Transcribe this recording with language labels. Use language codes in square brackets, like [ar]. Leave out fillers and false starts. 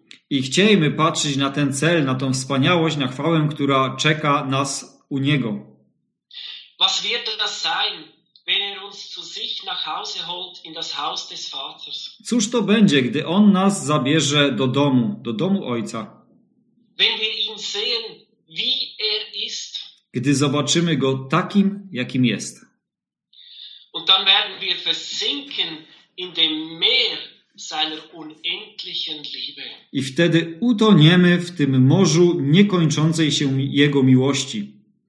[pl] I chcielibyśmy patrzeć na ten cel, na tą wspaniałość, na chwałę, która czeka nas u Niego. [de] Was wird das sein, wenn er uns zu sich nach Hause holt in das Haus des Vaters? [pl] Cóż to będzie, gdy On nas zabierze do domu Ojca? [de] Wenn wir ihn sehen, wie er ist. [pl] Gdy zobaczymy Go takim, jakim jest. [de] Und dann werden wir versinken in dem Meer seiner unendlichen Liebe. [pl] I wtedy utoniemy w tym morzu niekończącej się Jego miłości.